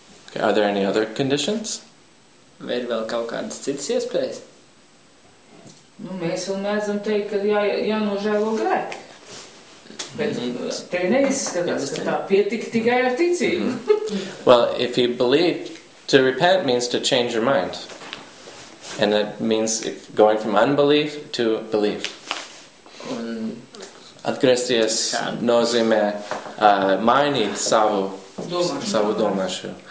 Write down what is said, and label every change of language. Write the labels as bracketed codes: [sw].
[en] Okay, are there any other conditions? [lv] Vai vēl kaut kādas citas iespējas? Nu, mēs vēl neesam teikt, ka jānožēlo grēki. Bet te neizskatās, ka tā pietika tikai ar ticību. [en] Well, if you believe, to repent means to change your mind. And that means going from unbelief to belief. [lv] Atgriezties nozīmē mainīt savu domāšu.